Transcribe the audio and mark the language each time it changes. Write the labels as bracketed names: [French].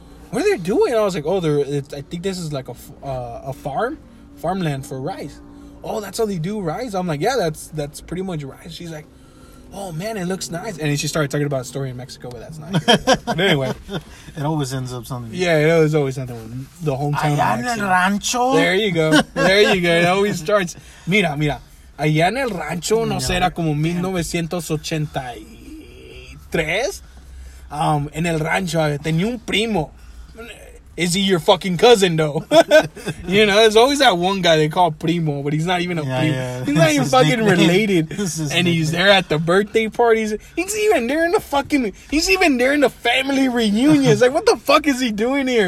[English] What are they doing? I was like, oh, I think this is like a farmland for rice. Oh, that's how they do rice? I'm like, yeah, that's pretty much rice. She's like, oh, man, it looks nice. And she started talking about a story in Mexico, but that's not good. But anyway. It always ends up something. Yeah, it was always something with the hometown. [Spanish] Allá en el rancho. [English] There you go. There you go. It always starts. [Spanish] Mira. Allá en el rancho, no sé, era como 1983. En el rancho, tenía un primo. [English] Is he your fucking cousin, though? You know, there's always that one guy they call Primo, but he's not even a primo. Yeah. He's not even fucking related. And he's there at the birthday parties. He's even there in the family reunions. Like, what the fuck is he doing here?